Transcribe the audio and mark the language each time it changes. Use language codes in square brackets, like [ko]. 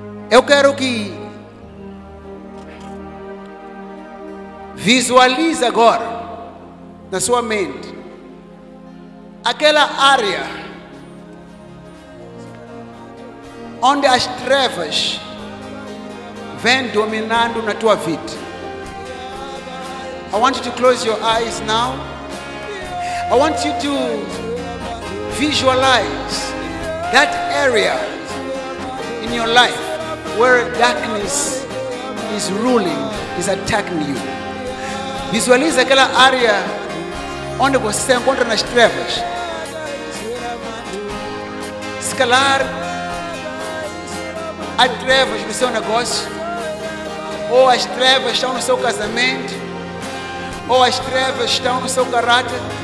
[pt] Eu quero que visualize agora na sua mente aquela área onde as trevas vêm dominando na tua vida. [en] I want you to close your eyes now. I want you to visualize that area in your life where darkness is ruling, is attacking you. [pt] Visualize aquela área onde você encontra nas trevas. Escalar as trevas no seu negócio, ou as trevas estão no seu casamento, ou as trevas estão no seu caráter.